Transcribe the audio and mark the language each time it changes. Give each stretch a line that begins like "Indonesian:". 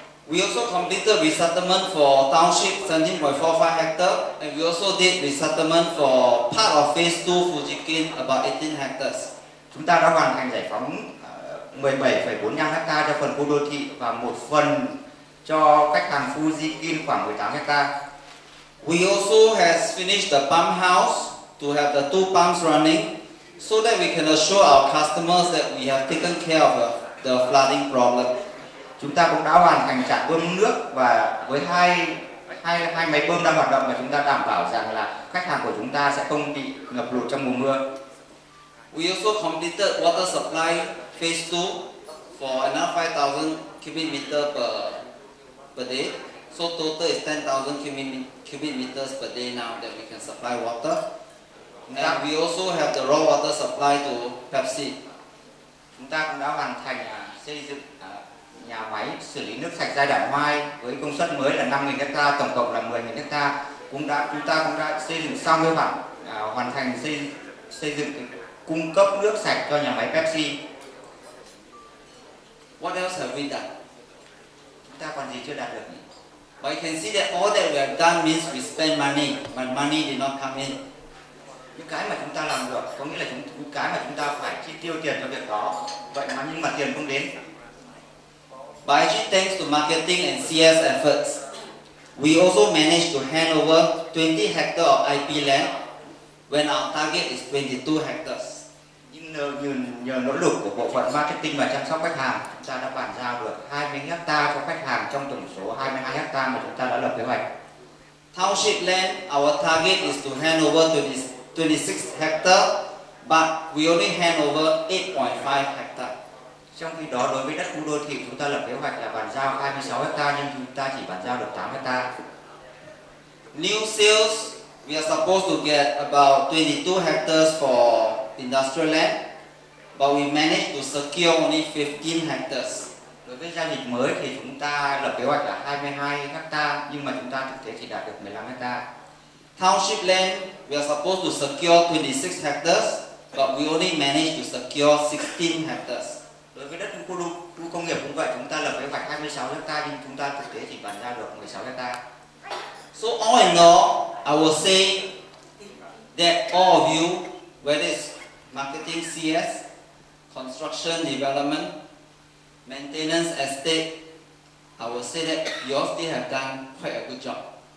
English: We also completed resettlement for township 17.45 hectares and we also did resettlement for part of phase 2 Fujikin about 18 hectares.
Vietnamese: Chúng ta đã hoàn thành giải phóng 17.45 hectares cho phần khu đô thị và một phần cho cách hàng Fujikin khoảng 18 hectares.
English: We also has finished the pump house to have the two pumps running so that we can assure our customers that we have taken care of the flooding problem.
Vietnamese: Chúng ta cũng đã hoàn thành trạm bơm nước và với hai máy bơm đang hoạt động và chúng ta đảm bảo rằng là khách hàng của chúng ta sẽ không bị ngập lụt trong mùa mưa.
English: We also completed water supply phase 2 for another 5,000 cubic meters per day. So total is 10,000 cubic meters per day now that we can supply water. And we also have the raw water supply to Pepsi.
Vietnamese: Chúng ta cũng đã hoàn thành xây dựng nhà máy xử lý nước sạch giai đoạn 2 với công suất mới là 5.000 ha, tổng cộng là 10.000 ha. Chúng ta cũng đã xây dựng xong các bạn, hoàn thành xây dựng cung cấp nước sạch cho nhà máy Pepsi.
English: What else have we done?
Vietnamese: Chúng ta còn gì chưa đạt được?
English: But you can see that all that we have done means we spend money, but money did not come in.
Vietnamese: Những cái mà chúng ta làm được có nghĩa là chúng ta phải chi tiêu tiền cho việc đó, vậy mà nhưng mà tiền không đến.
English: By thanks to marketing and CS efforts, we also managed to hand over 20 hectares of IP land when our target is 22 hectares.
Vietnamese: Nhưng nhờ nỗ lực của bộ phận marketing và chăm sóc khách hàng, chúng ta đã bàn giao được 20 hectares cho khách hàng trong tổng số 22 hectares mà chúng ta đã lập kế hoạch.
English: Township land, our target is to hand over 26 hectares, but we only hand over 8.5 hectares.
Vietnamese: Trong khi đó đối với đất khu đô thị chúng ta lập kế hoạch là bàn giao 26 ha nhưng chúng ta chỉ bàn giao được 8 ha.
English: New sales we are supposed to get about 22 hectares for industrial land but we managed to secure only 15 hectares.
Vietnamese: Đối với giao dịch mới thì chúng ta lập kế hoạch là 22 ha nhưng mà chúng ta thực tế chỉ đạt được 15 ha.
English: Township land we are supposed to secure 26 hectares but we only managed to secure 16 hectares.
Vietnamese: Đối với đất khu công nghiệp cũng vậy, chúng ta lập kế hoạch 26 ha nhưng chúng ta thực tế chỉ bàn giao được 16 ha.
English: So all in all, I will say that all of you, whether it's marketing CS, construction development, maintenance estate, I will say that you all still have done quite a good job.